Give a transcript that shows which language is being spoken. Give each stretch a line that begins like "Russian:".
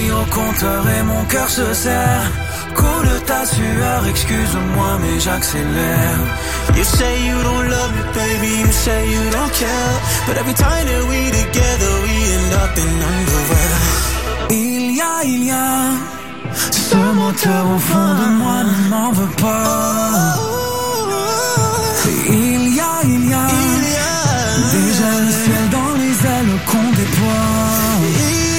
French: Compteur et mon cœur se serre. Coule ta sueur, excuse-moi mais j'accélère.
English: You say you don't love me baby, you say you don't care. But every time that we together we end up in underwear.
French: Ilia, Ilia, ce moteur au fond de moi ne m'en veut pas. Ilia, Ilia, déjà le ciel dans les ailes qu'on déploie.